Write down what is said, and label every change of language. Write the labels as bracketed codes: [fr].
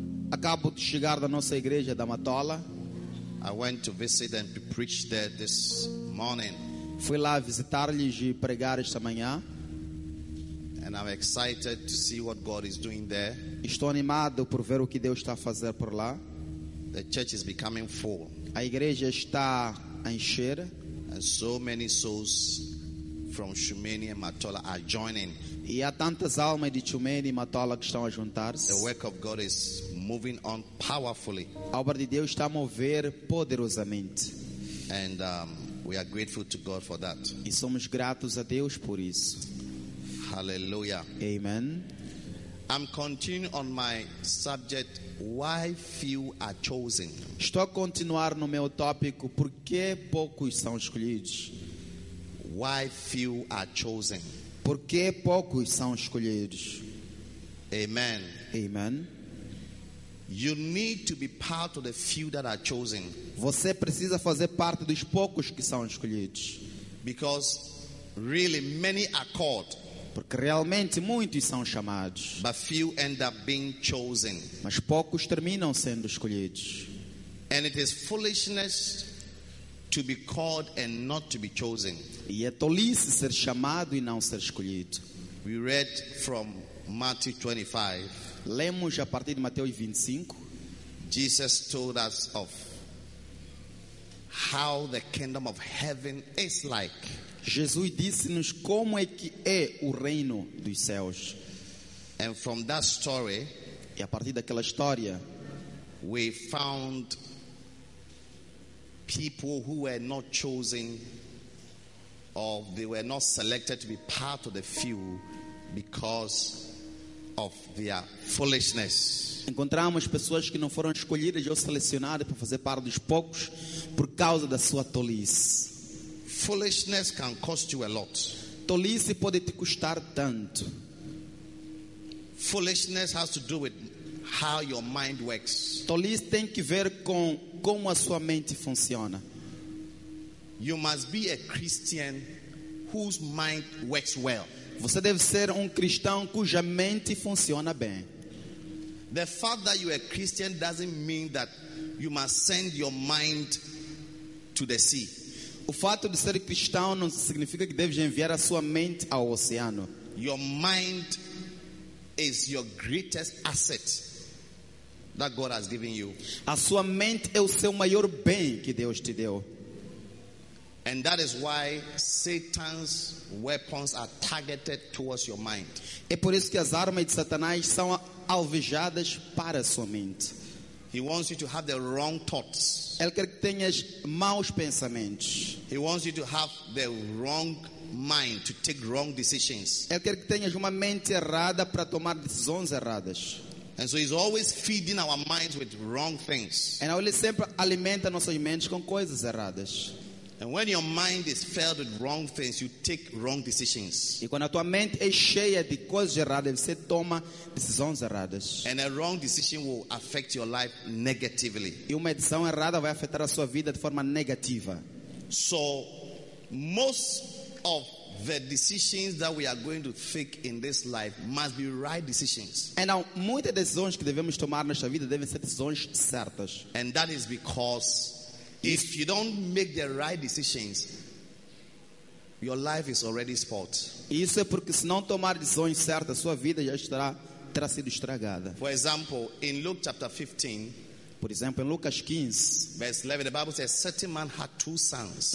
[pt] Acabo de chegar da nossa igreja da Matola. [en] I went to visit and to preach there this morning. [pt] Fui lá visitar-lhes e pregar esta manhã. [en] And I'm excited to see what God is doing there. [pt] Estou animado por ver o que Deus está a fazer por lá. [en] The church is becoming full. [pt] A igreja está a encher. [en] And so many souls from Shumeni and Matola are joining. [pt] E há tantas almas de Chumene e Matola que estão a juntar-se. [en] The work of God is moving on powerfully. [pt] A obra de Deus está a mover poderosamente. [en] And we are grateful to God for that. [pt] E somos gratos a Deus por isso. Hallelujah. Amen. [en] I'm continuing on my subject, why few are chosen. [pt] Estou a continuar no meu tópico, por que poucos são escolhidos? [en] Why few are chosen. [pt] Porque poucos são escolhidos. Amen. Amen. [en] You need to be part of the few that are chosen. [pt] Você precisa fazer parte dos poucos que são escolhidos. [en] Because really many are called. [pt] Porque realmente muitos são chamados. [en] But few end up being chosen. [pt] Mas poucos terminam sendo escolhidos. [en] And it is foolishness to be called and not to be chosen. [pt] E é tolice ser chamado e não ser escolhido. [en] We read from Matthew 25. [pt] Lemos a partir de Mateus 25. [en] Jesus told us of how the kingdom of heaven is like. [pt] Jesus disse-nos como é que é o reino dos céus. [en] And from that story, [pt] e a partir daquela história, [en] we found people who were not chosen or they were not selected to be part of the few because of their foolishness. [pt] Encontramos pessoas que não foram escolhidas ou selecionadas para fazer parte dos poucos por causa da sua tolice. [en] Foolishness can cost you a lot. [pt] Tolice pode te custar tanto. [en] Foolishness has to do with how your mind works. [pt] Tolice tem que ver com como a sua mente funciona. [en] You must be a Christian whose mind works well. [pt] Você deve ser cristão cuja mente funciona bem. [en] The fact that you are a Christian doesn't mean that you must send your mind to the sea. [pt] O fato de ser cristão não significa que deve enviar a sua mente ao oceano. [en] Your mind is your greatest asset that God has given you. [pt] A sua mente é o seu maior bem que Deus te deu. [en] And that is why Satan's weapons are targeted towards your mind. [pt] É por isso que as armas de Satanás são alvejadas para a sua mente. [en] He wants you to have the wrong thoughts. [pt] Ele quer que tenhas maus pensamentos. [en] He wants you to have the wrong mind to take wrong decisions. [pt] Ele quer que tenhas uma mente errada para tomar decisões erradas. [en] And so he's always feeding our minds with wrong things. [pt] Então ele sempre alimenta nossas mentes com coisas erradas. [en] And when your mind is filled with wrong things, you take wrong decisions. [pt] E quando a tua mente é cheia de coisas erradas, você toma decisões erradas. [en] And a wrong decision will affect your life negatively. [pt] E uma decisão errada vai afetar a sua vida de forma negativa. [en] So, most of the decisions that we are going to take in this life must be right decisions. [pt] E não, muitas decisões que devemos tomar nesta vida devem ser decisões certas. [en] And that is because if you don't make the right decisions, your life is already spoiled. [pt] Isso é porque se não tomar decisões certas, sua vida já estará terá sido estragada. [en] For example, in Luke chapter 15, [pt] por exemplo, em Lucas 15, [en] verse 11, the Bible says a certain man had two sons.